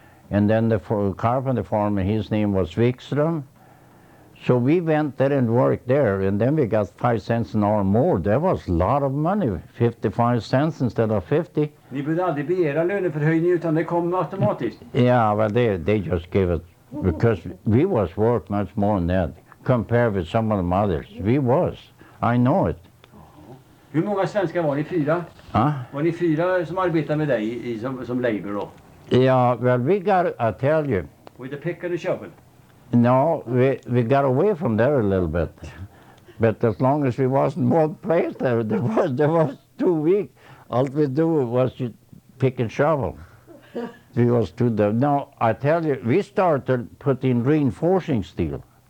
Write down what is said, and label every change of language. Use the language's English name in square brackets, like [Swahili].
[English] And then the carpenter foreman, his name was Wikström. So we went there and worked there, and then we got 5 cents an hour more. That was a lot of money, 55 cents instead of 50. [Swedish] Ni behövde aldrig be era löner för höjning, utan det kom automatiskt. [English] Yeah, well, they just gave it, because we was worth much more than that, compared with some of the others. We was. I know it. [Swedish] Hur många svenskar var ni, 4? Huh? Var ni 4 som arbetade med dig som labor då? [English] Yeah, well, we got, I tell you. With the pick and the shovel? No, we got away from there a little bit. But as long as we wasn't one place there, there was 2 weeks. All we do was pick and shovel. We was too dumb. No, I tell you, we started putting reinforcing steel.